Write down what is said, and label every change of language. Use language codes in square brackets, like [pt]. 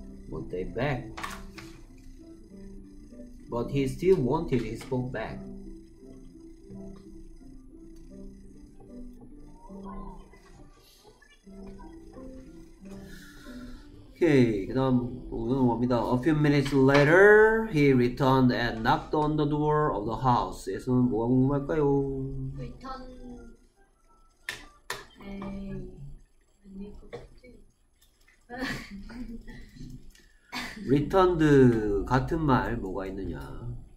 [en] want a bag. But he still wanted his book back. [ko] 오케이, 그 다음 오늘 뭡니다. [en] A few minutes later, he returned and knocked on the door of the house. [ko] 에서는 뭐가 궁금할까요? [en] Return. 에이... [ko] returned 같은 말 뭐가 있느냐?